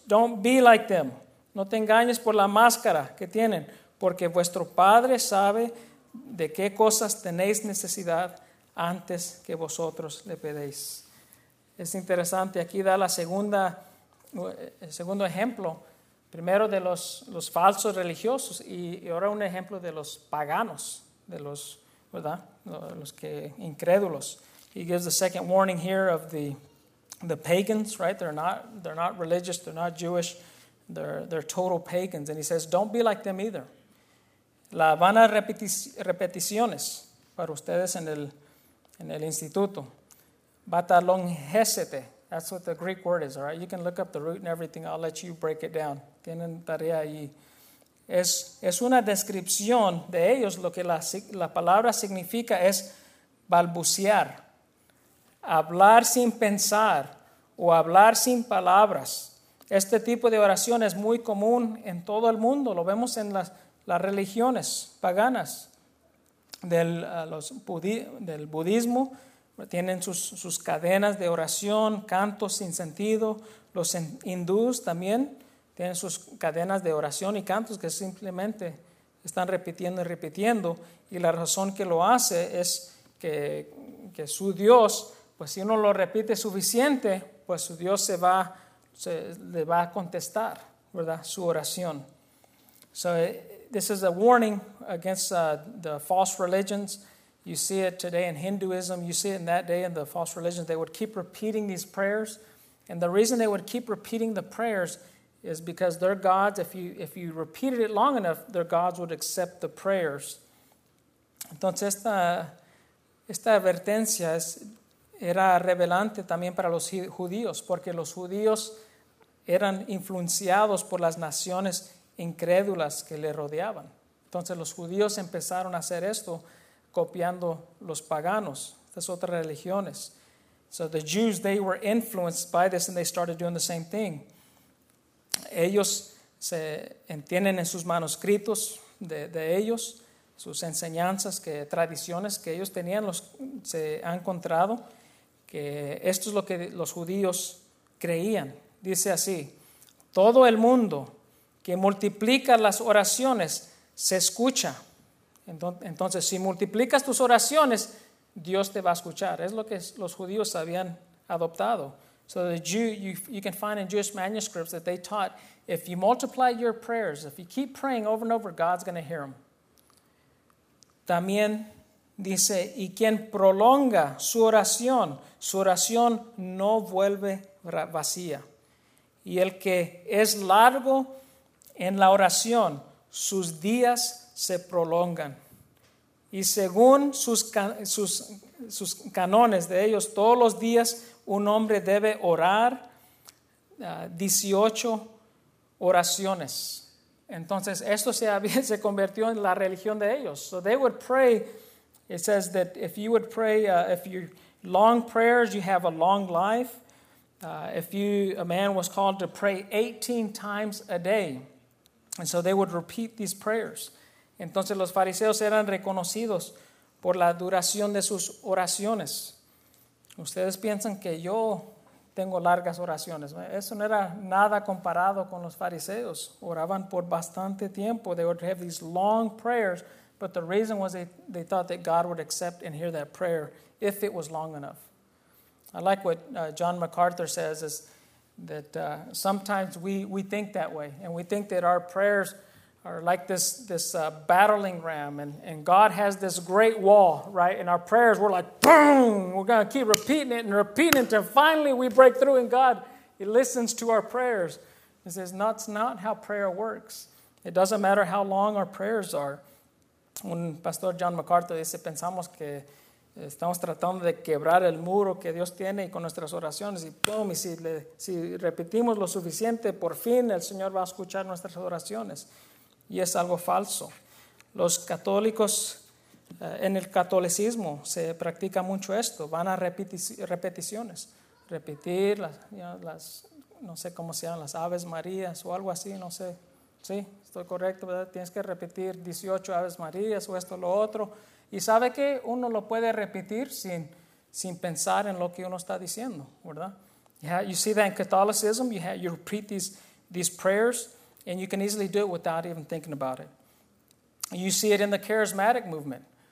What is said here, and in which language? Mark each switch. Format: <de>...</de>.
<en>Don't be like them.</en> <es>No te engañes por la máscara que tienen, porque vuestro Padre sabe de qué cosas tenéis necesidad antes que vosotros le pedéis. Es interesante, aquí da la segunda, el segundo ejemplo, primero de los falsos religiosos y ahora un ejemplo de los paganos, de los, ¿verdad? Los que incrédulos.</es> <en>He gives the second warning here of the pagans, right? They're not religious, they're not Jewish, they're total pagans, and he says don't be like them either.</en> <es>La vana repeticiones para ustedes en el instituto.</es> <en>Batalonjesete, that's what the Greek word is, all right? You can look up the root and everything. I'll let you break it down.</en> <es>Tienen tarea allí. Es una descripción de ellos. Lo que la palabra significa es balbucear, hablar sin pensar o hablar sin palabras. Este tipo de oración es muy común en todo el mundo. Lo vemos en las religiones paganas del budismo. Tienen sus cadenas de oración, cantos sin sentido. Los hindús también tienen sus cadenas de oración y cantos que simplemente están repitiendo y repitiendo. Y la razón que lo hace es que su Dios, pues si uno lo repite suficiente, pues su Dios le va a contestar, ¿verdad? Su oración.</es> <en>So this is a warning against the false religions. You see it today in Hinduism. You see it in that day in the false religions. They would keep repeating these prayers. And the reason they would keep repeating the prayers is because their gods, if you repeated it long enough, their gods would accept the prayers.</en> <es>Entonces, esta advertencia era revelante también para los judíos, porque los judíos eran influenciados por las naciones incrédulas que le rodeaban. Entonces, los judíos empezaron a hacer esto copiando los paganos, las otras religiones.</es> <en>So the Jews, they were influenced by this and they started doing the same thing.</en> <es>Ellos se entienden en sus manuscritos de ellos, sus enseñanzas, que tradiciones que ellos tenían, se han encontrado que esto es lo que los judíos creían. Dice así, todo el mundo que multiplica las oraciones se escucha. Entonces, si multiplicas tus oraciones, Dios te va a escuchar. Es lo que los judíos habían adoptado.</es> <en>So the Jew, you can find in Jewish manuscripts that they taught, if you multiply your prayers, if you keep praying over and over, God's going to hear them.</en> <es>También dice, y quien prolonga su oración no vuelve vacía. Y el que es largo en la oración, sus días se prolongan. Y según sus sus canones de ellos, todos los días un hombre debe orar 18 oraciones. Entonces, esto se convirtió en la religión de ellos.</es> <en>So they would pray. It says that if you would pray, if your long prayers, you have a long life. A man was called to pray 18 times a day. And so they would repeat these prayers.</en> <es>Entonces, los fariseos eran reconocidos por la duración de sus oraciones. Ustedes piensan que yo tengo largas oraciones. Eso no era nada comparado con los fariseos. Oraban por bastante tiempo.</es> <en>They would have these long prayers, but the reason was they thought that God would accept and hear that prayer if it was long enough. I like what John MacArthur says, is that sometimes we think that way, and we think that our prayers are like this battling ram, and God has this great wall, right? And our prayers, we're like, boom! We're going to keep repeating it and repeating it until finally we break through, and God, He listens to our prayers. He says, no, it's not how prayer works. It doesn't matter how long our prayers are.</en> <es>Un pastor John MacArthur dice, pensamos que estamos tratando de quebrar el muro que Dios tiene y con nuestras oraciones, y boom, y si repetimos lo suficiente, por fin el Señor va a escuchar nuestras oraciones. Y es algo falso. Los católicos, en el catolicismo se practica mucho esto. Van a repeticiones. Repetir las no sé cómo se llaman, las Aves Marías o algo así, no sé. Sí, estoy correcto, ¿verdad? Tienes que repetir 18 Aves Marías o esto o lo otro. Y sabe que uno lo puede repetir sin pensar en lo que uno está diciendo, ¿verdad?</es> <en>Yeah, you see that in Catholicism, you repeat these prayers. And you can easily do it without even thinking about it. You see it in the charismatic movement.</en>